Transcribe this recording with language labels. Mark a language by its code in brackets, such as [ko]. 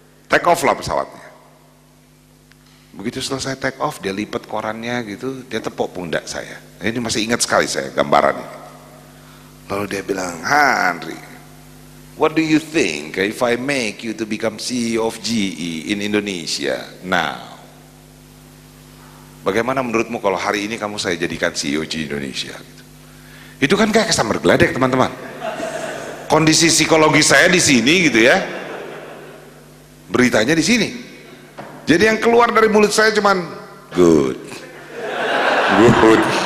[id] Take off lah pesawatnya. Begitu selesai take off, dia lipat korannya gitu, dia tepuk pundak saya. Ini masih ingat sekali saya gambaran ini. Lalu dia bilang, [en] Henry, what do you think if I make you to become CEO of GE in Indonesia now? [id] Bagaimana menurutmu kalau hari ini kamu saya jadikan CEO GE Indonesia? Gitu. Itu kan kayak kesamber geledek teman-teman. Kondisi psikologi saya di sini gitu ya. Beritanya di sini. Jadi yang keluar dari mulut saya cuman [en] good, good.